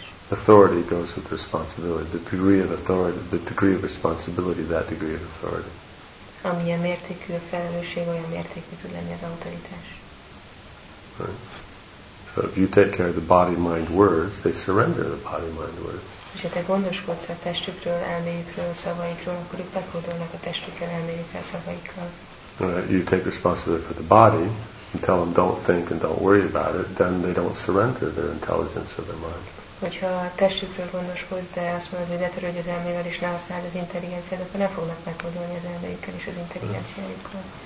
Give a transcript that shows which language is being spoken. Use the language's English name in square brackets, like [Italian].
[English] Authority goes with responsibility. The degree of authority, the degree of responsibility, that degree of authority. [Hungarian] Amilyen mértékű a felelősség, olyan mértékű tud lenni az autoritás. [English] Right. So if you take care of the body, mind, words, they surrender the body, mind, words. [Hungarian] Ha te gondoskodsz a testükről, elméjükről, szavaikról, akkor ők meghódolnak a testükkel, elméjükkel, szavaikkal. [English] You take responsibility for the body and tell them don't think and don't worry about it, then they don't surrender their intelligence or their mind. [Hungarian] Hogyha a testükről gondoskodsz, de azt mondod, hogy ne törődj az elmével és ne használd az intelligenciát, akkor nem fognak meghódolni az elméjükkel és az intelligenciájukkal.